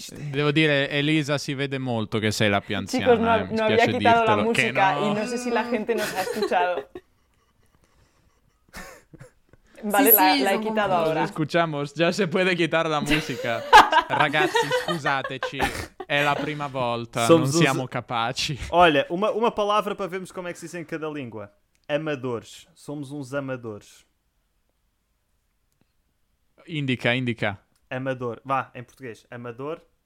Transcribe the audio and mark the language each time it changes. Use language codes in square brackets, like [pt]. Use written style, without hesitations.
[it] Devo dire, Elisa, si vede molto che sei la più anziana. [es] Chicos, no, no había quitado la música y no sé si la gente nos ha escuchado. [it] Vale, l'hai quitato ora. [es] Escuchamos, già se puede quitar la musica. [it] Ragazzi, scusateci, è la prima volta, non siamo capaci. [pt] Olha, una palavra para vermos como é que se diz em cada língua. Amadores, somos uns amadores. Indica. Amador, va, em português, amador.